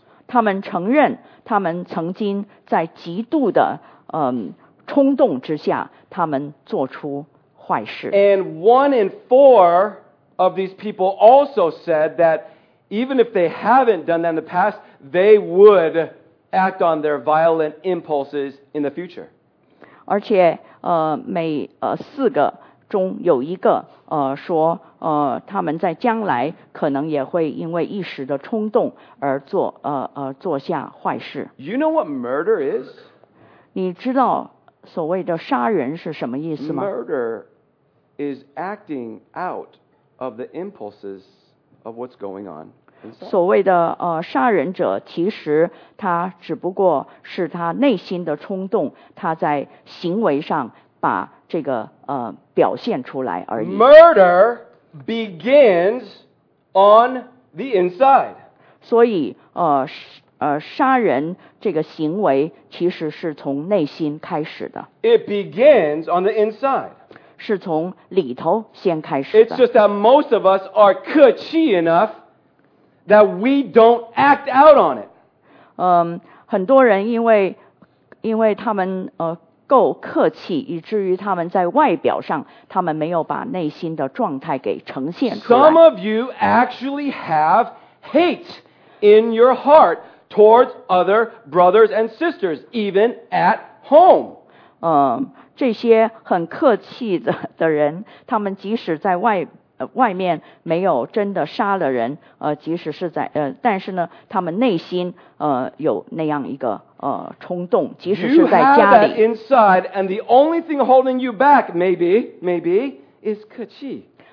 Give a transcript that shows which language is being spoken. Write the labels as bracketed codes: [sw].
[zh] 他们承认他们曾经在极度的冲动之下，他们做出坏事。 [en] And one in four of these people also said that even if they haven't done that in the past, they would act on their violent impulses in the future. [zh] 而且每四个中有一个说他们在将来可能也会因为一时的冲动而做做下坏事。 [en] You know what murder is? [zh] 你知道所谓的杀人是什么意思吗？ [en] Murder is acting out of the impulses of what's going on. [zh] 所谓的杀人者其实他只不过是他内心的冲动，他在行为上把这个表现出来而已。 [en] Murder begins on the inside. [zh] 所以杀人这个行为其实是从内心开始的。 [en] It begins on the inside. [zh] 是从里头先开始的。 [en] It's just that most of us are [zh] 客气 [en] enough that we don't act out on it. [zh] 很多人因为他们够客气，以至于他们在外表上，他们没有把内心的状态给呈现出来。 [en] Some of you actually have hate in your heart towards other brothers and sisters, even at home. [zh] 这些很客气的人，他们即使在外面没有真的杀了人，即使是在但是呢，他们内心有那样一个冲动，即使是在家里。 [en] You have that inside, and the only thing holding you back, maybe, is [zh] 客气。